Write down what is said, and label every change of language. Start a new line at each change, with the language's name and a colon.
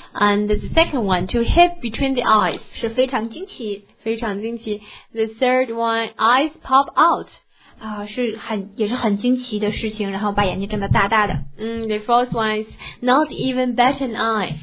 English: ，and the second one to hit between the eyes
Chinese: 是非常惊奇，非常惊奇。
English: The third one eyes pop out
Chinese: 啊、是很也是很惊奇的事情，然后把眼睛睁得大大的。
English: The fourth one is not even bat an eye